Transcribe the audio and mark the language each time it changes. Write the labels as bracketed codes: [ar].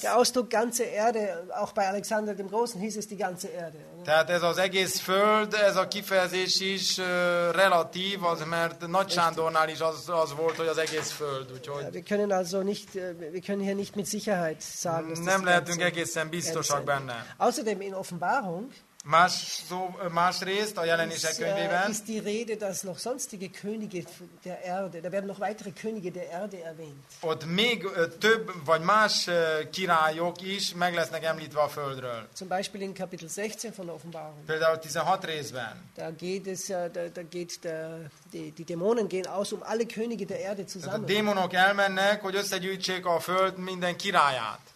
[de] Der Ausdruck ganze Erde, auch bei Alexander dem Großen hieß es die ganze Erde. [hu] Tehát ez az egész föld, ez a kifejezés is relatív, az mert Nagy Sándornál is az volt, hogy az egész föld. Úgyhogy [de] ja, wir können hier nicht mit Sicherheit sagen, dass [hu] nem lehetünk egészen biztosak benne. [de] Außerdem in Offenbarung [hu] Másrészt a Jelenések könyvében [de] ist die Rede, dass noch sonstige Könige der Erde, da werden noch weitere Könige der Erde erwähnt. [hu] Ott még több vagy más királyok is meg lesznek említve a földről. [de] Zum Beispiel in Kapitel 16 von der Offenbarung. [hu] Például 16 részben. [de] Da geht es ja, da geht der die Dämonen gehen aus, um alle Könige der Erde zu sammeln. [hu] A démonok elmennek, hogy összegyűjtsék a föld minden királyát.